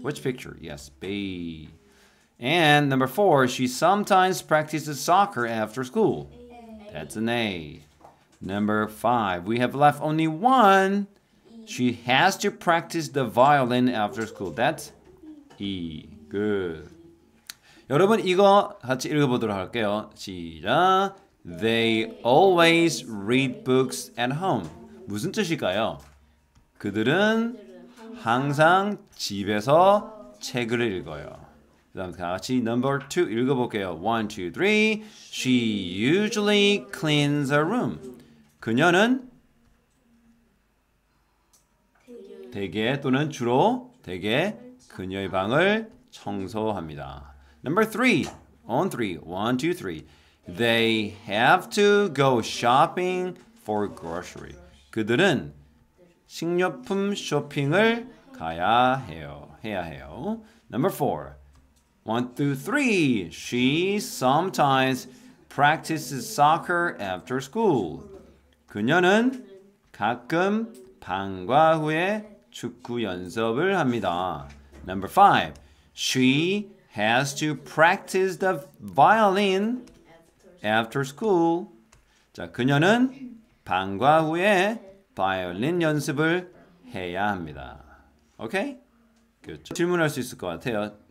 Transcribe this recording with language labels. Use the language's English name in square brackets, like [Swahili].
[English] Which picture? Yes, B. And number four. She sometimes practices soccer after school. A. That's an A. Number five, we have left only one. She has to practice the violin after school. That's E. Good. [Korean] 여러분, 이거 같이 읽어보도록 할게요. 시작! [English] They always read books at home. [Korean] 무슨 뜻일까요? 그들은 항상 집에서 책을 읽어요. 다음 같이 [English] number two [Korean] 읽어볼게요. [English] One, two, three. She usually cleans her room. [Korean] 그녀는 대개 또는 주로 대개 그녀의 방을 청소합니다. [English] Number three, on three, one, two, three. They have to go shopping for grocery. [Korean] 그들은 식료품 쇼핑을 가야 해요. 해야 해요. [English] Number four, one, two, three. She sometimes practices soccer after school. [Korean] 그녀는 가끔 방과 후에 축구 연습을 합니다. [English] Number five. She has to practice the violin after school. [Korean] 자, 그녀는 방과 후에 바이올린 연습을 해야 합니다. [English] Okay? Good. [Korean] 질문할 수 있을 것 같아요.